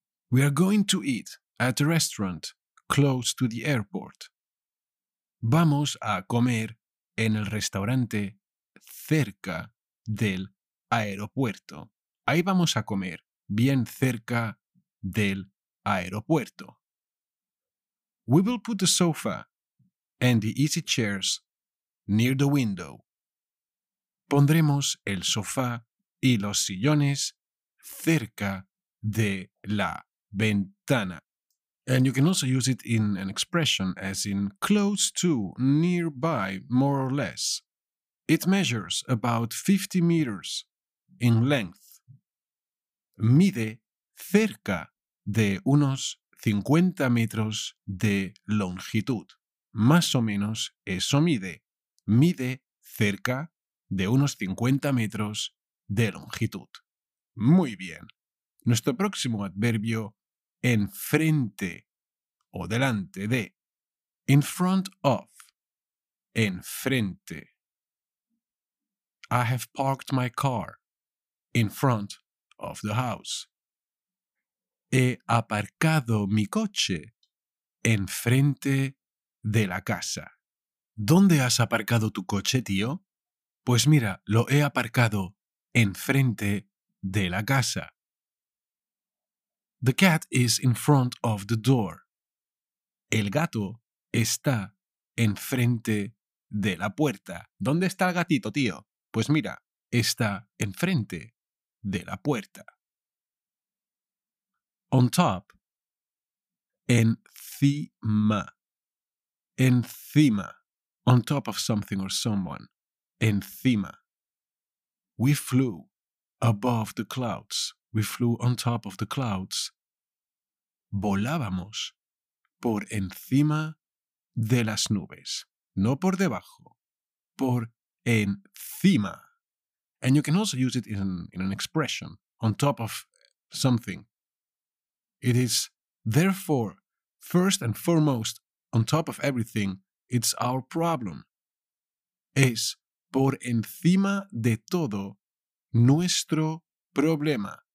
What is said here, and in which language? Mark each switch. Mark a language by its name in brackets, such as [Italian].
[English] We are going to eat at a restaurant close to the airport. [Spanish] Vamos a comer en el restaurante cerca del aeropuerto. Ahí vamos a comer bien cerca del aeropuerto. [English] We will put the sofa and the easy chairs near the window. [Spanish] Pondremos el sofá y los sillones cerca de la ventana. [English] And you can also use it in an expression, as in close to, nearby, more or less. It measures about 50 meters in length. [Spanish] Mide cerca de unos 50 metros de longitud. Más o menos eso mide. Mide cerca de unos 50 metros de longitud. Muy bien. Nuestro próximo adverbio, enfrente o delante de. [English] In front of. Enfrente. I have parked my car in front of the house. [Spanish] He aparcado mi coche enfrente de la casa. ¿Dónde has aparcado tu coche, tío? Pues mira, lo he aparcado enfrente de la casa. [English] The cat is in front of the door. [Spanish] El gato está enfrente de la puerta. ¿Dónde está el gatito, tío? Pues mira, está enfrente de la puerta. [English] On top. Encima. Encima. On top of something or someone. Encima. We flew above the clouds. We flew on top of the clouds. [Spanish] Volábamos por encima de las nubes, no por debajo, por encima. [English] And you can also use it in an expression, on top of something. It is, therefore, first and foremost, on top of everything, it's our problem. [Spanish] Es por encima de todo nuestro problema.